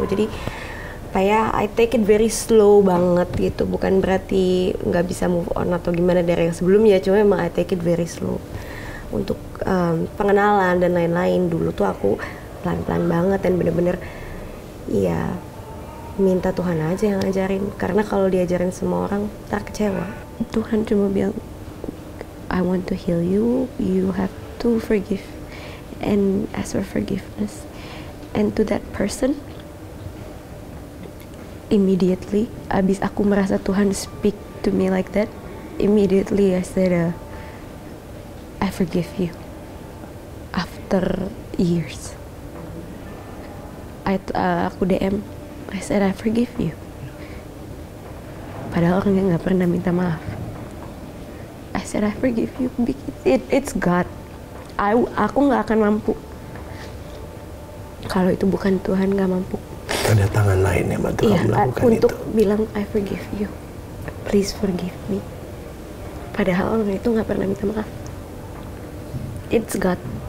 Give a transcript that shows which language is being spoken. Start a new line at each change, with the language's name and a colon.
Indonesian: Jadi kayak
English: I take it very slow
Indonesian: banget gitu, bukan berarti nggak bisa move on atau gimana dari yang sebelumnya, cuma emang I take it very slow untuk pengenalan dan lain-lain. Dulu tuh aku pelan-pelan banget dan bener-bener ya minta Tuhan aja yang ngajarin, karena kalau diajarin semua orang tak kecewa. Tuhan cuma bilang
English: I want to heal you, you have to forgive and ask for forgiveness, and to that person immediately,
Indonesian: abis aku merasa Tuhan
English: speak to me like that, immediately I said I forgive you. After years
Indonesian: aku DM,
English: I said I forgive you,
Indonesian: padahal orangnya gak pernah minta maaf.
English: I said I forgive you because it's God.
Indonesian: Aku gak akan mampu kalau itu bukan Tuhan, gak mampu. Ada tangan lain yang bantu kamu melakukan itu. Untuk bilang
English: I forgive you, please forgive me,
Indonesian: padahal orang itu gak pernah minta maaf.
English: It's God.